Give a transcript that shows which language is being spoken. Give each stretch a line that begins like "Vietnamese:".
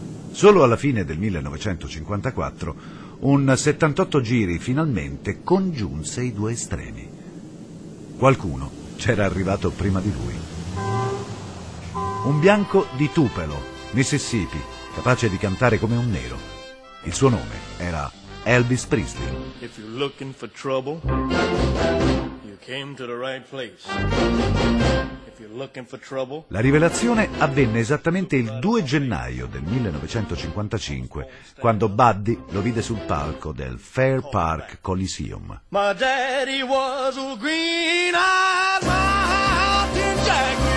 Italian: Solo alla fine del 1954 un 78 giri finalmente congiunse i due estremi. Qualcuno c'era arrivato prima di lui. Un bianco di Tupelo, Mississippi, capace di cantare come un nero. Il suo nome era Elvis Presley.
English: If you're looking for trouble, you came to the right place. If you're looking for trouble.
Italian: La rivelazione avvenne esattamente il 2 gennaio del 1955, quando Buddy lo vide sul palco del Fair Park Coliseum.
English: My daddy was a green-eyed mountain jack.